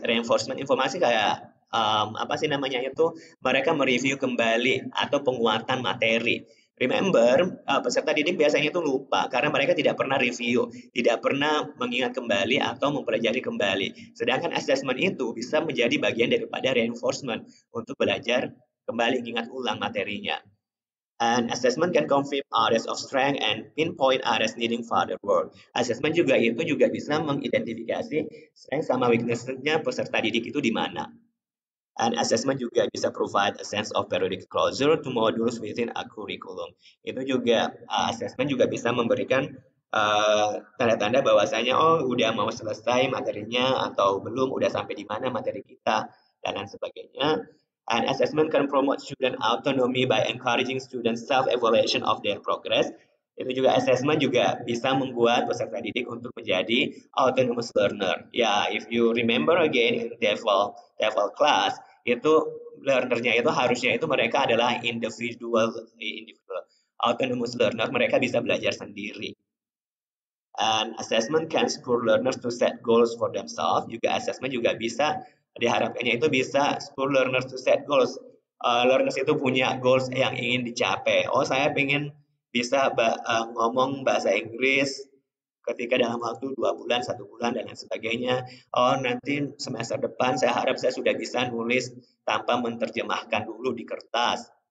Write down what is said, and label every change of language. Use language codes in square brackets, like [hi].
[id] Reinforcement informasi kayak, apa sih namanya itu, mereka mereview kembali atau penguatan materi. Remember, peserta didik biasanya itu lupa karena mereka tidak pernah review, tidak pernah mengingat kembali atau mempelajari kembali. Sedangkan assessment itu bisa menjadi bagian daripada reinforcement untuk belajar kembali, ingat ulang materinya. [en] And assessment can confirm areas of strength and pinpoint areas needing further work. [id] Assessment juga itu juga bisa mengidentifikasi strength sama weakness-nya peserta didik itu di mana. [en] And assessment [id] juga bisa [en] provide a sense of periodic closure to modules within a curriculum. [id] Itu juga, assessment juga bisa memberikan tanda-tanda bahwasanya oh, udah mau selesai materinya atau belum, udah sampai di mana materi kita, dan lain sebagainya. [en] And assessment can promote student autonomy by encouraging student self-evaluation of their progress. [id] Itu juga assessment juga bisa membuat peserta didik untuk menjadi autonomous learner. Ya, [en] yeah, if you remember again in TEFL class, [id] itu learner-nya itu harusnya itu mereka adalah [en] individual autonomous learner, [id] mereka bisa belajar sendiri. [en] And assessment can spur learners to set goals for themselves. [id] Juga assessment juga bisa diharapkannya itu bisa [en] spur learners to set goals. [id] Learners itu punya goals yang ingin dicapai. Oh, saya ingin bisa ngomong bahasa Inggris ketika dalam waktu 2 bulan, 1 bulan, dan lain sebagainya. Oh, nanti semester depan saya harap saya sudah bisa nulis tanpa menerjemahkan dulu di kertas.